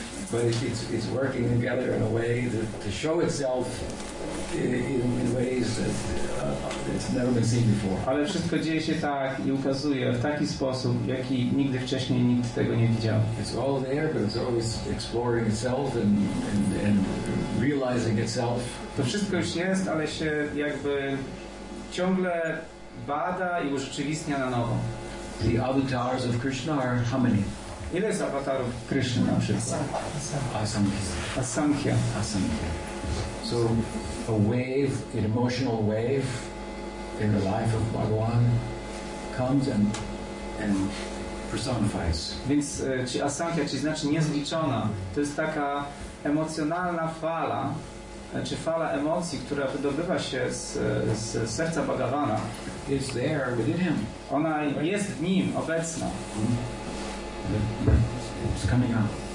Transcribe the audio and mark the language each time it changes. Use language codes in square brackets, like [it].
[en] But it's working together in a way that to show itself in ways that it's never been seen before. [pl] Ale wszystko dzieje się tak i ukazuje w taki sposób, w jaki nigdy wcześniej nikt tego nie widział. [en] It's all there, but it's always exploring itself and realizing itself. [pl] To wszystko już jest, ale się jakby ciągle bada i urzeczywistnia na nowo. [en] The avatars of Krishna are how many? [pl] Ile jest avatarów Krishna na przykład? [en] Asankhya. So a wave, an emotional wave in the life of Bhagawan comes and personifies. [pl] Więc czy asankhya, czy znaczy niezliczona, to jest taka emocjonalna fala, czy fala emocji, która wydobywa się z serca Bhagavana. [en] It's there within him. [pl] Ona jest w nim, obecna. [en] It's coming out.